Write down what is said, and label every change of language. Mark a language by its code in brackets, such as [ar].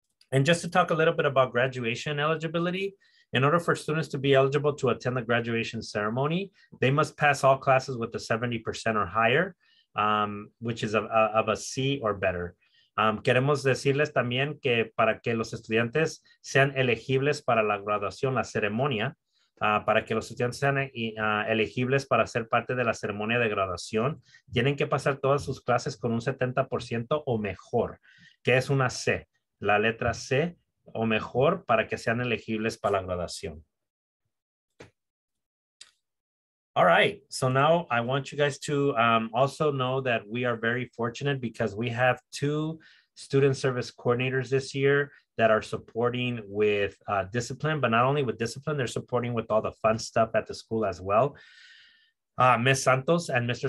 [en] And just to talk a little bit about graduation eligibility, in order for students to be eligible to attend the graduation ceremony, they must pass all classes with a 70% or higher, which is of a C or better. [es] Queremos decirles también que para que los estudiantes sean elegibles para la graduación, la ceremonia, para que los estudiantes sean elegibles para ser parte de la ceremonia de graduación, tienen que pasar todas sus clases con un 70% o mejor, que es una C, la letra C o mejor, para que sean elegibles para la graduación. [en] All right, so now I want you guys to also know that we are very fortunate because we have two student service coordinators this year that are supporting with discipline, but not only with discipline, they're supporting with all the fun stuff at the school as well. Ms. Santos and Mr.